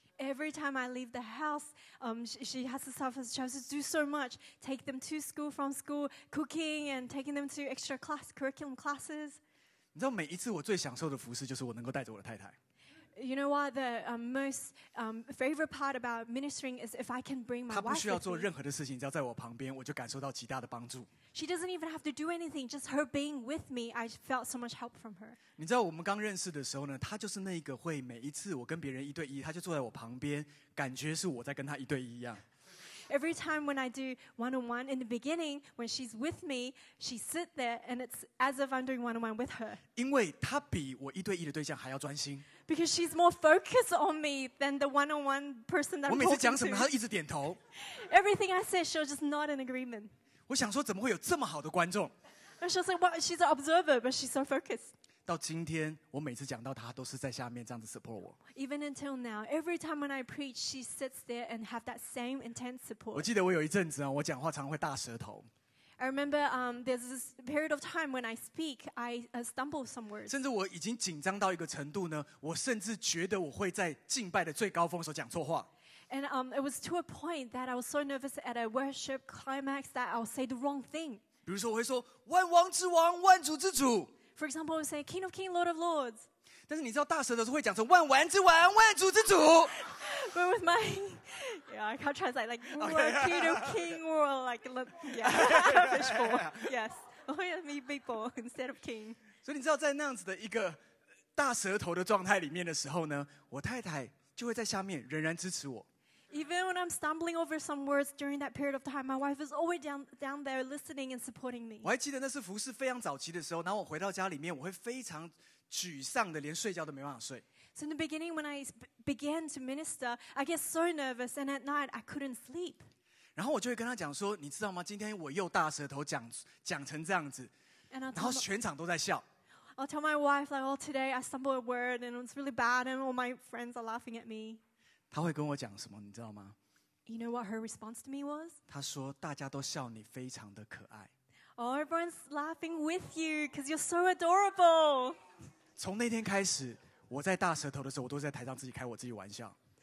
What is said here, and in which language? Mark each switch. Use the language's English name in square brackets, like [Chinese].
[English] Every time I leave the house, she has to suffer. She has to do so much. Take them to school from school, cooking and taking them to extra class, curriculum classes. [Chinese] 你知道每一次我最享受的服侍就是我能够带着我的太太。 [English] You know what? The most favorite part about ministering is if I can bring my wife. [Chinese] 她不需要做任何的事情，只要在我旁边，我就感受到极大的帮助。 [English] She doesn't even have to do anything. Just her being with me, I felt so much help from her. [Chinese] 你知道我们刚认识的时候呢，她就是那个会每一次我跟别人一对一，她就坐在我旁边，感觉是我在跟她一对一一样。 [English] Every time when I do one-on-one in the beginning, when she's with me, she sits there and it's as if I'm doing one-on-one with her. [Chinese] 因为她比我一对一的对象还要专心。 [English] Because she's more focused on me than the one-on-one person that I'm talking to. [Chinese] 我每次讲什么，她一直点头。 [English] Everything I say, she'll just nod in agreement. [Chinese] 我想说，怎么会有这么好的观众？ [English] She's like, well, she's an observer, but she's so focused. [Chinese] 到今天，我每次讲到她，都是在下面这样子 support 我。 [English] Even until now, every time when I preach, she sits there and have that same intense support. [Chinese] 我记得我有一阵子啊，我讲话常会大舌头。 [English] I remember there's this period of time when I speak, I stumble some words. [Chinese] 甚至我已经紧张到一个程度呢，我甚至觉得我会在敬拜的最高峰时候讲错话。 [English] And it was to a point that I was so nervous at a worship climax that I'll say the wrong thing. [Chinese] 比如说我会说万王之王万主之主。 [English] For example, I would say King of Kings, Lord of Lords. [Chinese] 但是你知道大舌头是会讲成万王之王万主之主。 [English] But with my, yeah, I can't translate like Lord, King of King or like yeah, fish bowl. Yes, oh yeah, me big bowl instead of king. [Chinese] 所以你知道在那样子的一个大舌头的状态里面的时候呢，我太太就会在下面仍然支持我。 [English] Even when I'm stumbling over some words during that period of time, my wife is always down there listening and supporting me. [Chinese] 我还记得那是服事非常早期的时候，然后我回到家里面，我会非常沮丧的，连睡觉都没办法睡。 [English] So in the beginning, when I began to minister, I get so nervous, and at night I couldn't sleep. [Chinese] 然后我就会跟他讲说，你知道吗？今天我又大舌头讲成这样子，然后全场都在笑。 [English] I'll tell my wife like, "Oh, today I stumbled a word, and it's really bad, and all my friends are laughing at me." [Chinese] 他会跟我讲什么，你知道吗 [English] ？You know what her response to me was? [Chinese] 他说：“大家都笑你非常的可爱。” [English] Oh, everyone's laughing with you because you're so adorable. [Chinese] 从那天开始，我在大舌头的时候，我都在台上自己开我自己玩笑。